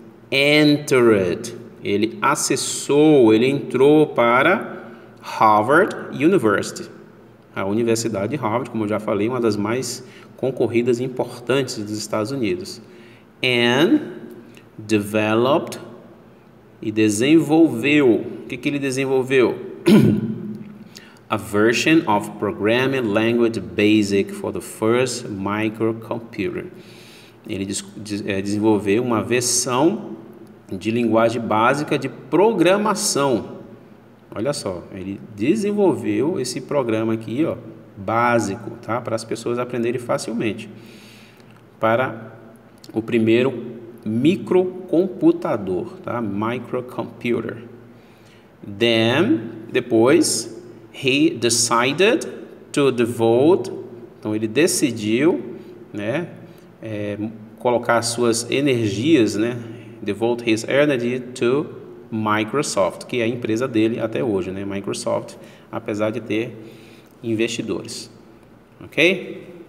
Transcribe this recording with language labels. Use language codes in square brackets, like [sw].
[pt] Em 1973, [en] Gates entered. [pt] Ele acessou, ele entrou para Harvard University. A Universidade de Harvard, como eu já falei, uma das mais concorridas e importantes dos Estados Unidos. [en] And developed [pt] e desenvolveu. O que, que ele desenvolveu? [en] A version of programming language basic for the first microcomputer. [pt] Ele desenvolveu uma versão de linguagem básica de programação. Olha só, ele desenvolveu esse programa aqui, ó, básico, tá? Para as pessoas aprenderem facilmente. Para o primeiro microcomputador, tá? [en] Microcomputer. Then, [pt] depois, [en] he decided to devote. [pt] Então, ele decidiu, né, colocar suas energias, né, [en] devote his energy to Microsoft, [pt] que é a empresa dele até hoje, né, Microsoft, apesar de ter investidores. Ok?